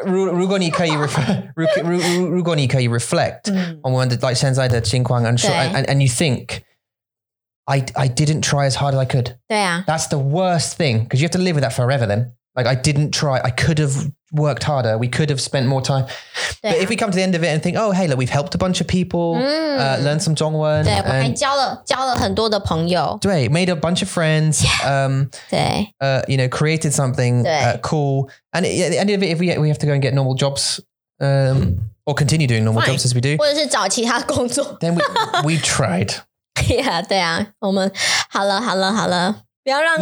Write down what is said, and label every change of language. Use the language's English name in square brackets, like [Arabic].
[Chinese] 如果你可以 [English] reflect on when the, like, [Chinese] 现在的情况 [English] and you think, I didn't try as hard as I could. [Chinese] 对啊。 [English] That's the worst thing, because you have to live with that forever then. Like, I didn't try. I could have... worked harder, we could have spent more time. But if we come to the end of it and think, oh, hey, look, we've helped a bunch of people, learned some 中文. [Chinese] 对, 我还交了很多的朋友。 [English] 对, made a bunch of friends, you know, created something cool. And at the end of it, if we have to go and get normal jobs, or continue doing normal jobs as we do, [Chinese] 或者是找其他工作。 [English] Then we tried. [Chinese] Yeah, 对啊,我们,好了,好了,好了。不要让